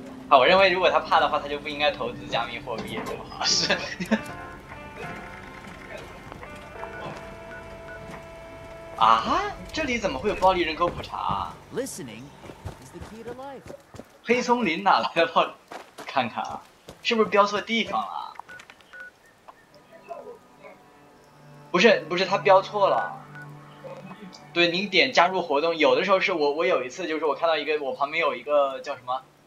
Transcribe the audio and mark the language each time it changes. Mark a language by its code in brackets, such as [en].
[zh] 我认为，如果他怕的话，他就不应该投资加密货币，这么好事。啊，这里怎么会有暴力人口普查啊？ [en] Listening is the key to life. [zh] 黑松林哪来的暴力？看看啊，是不是标错地方了？不是，不是，他标错了。对，您点加入活动，有的时候是我有一次就是我看到一个，我旁边有一个叫什么？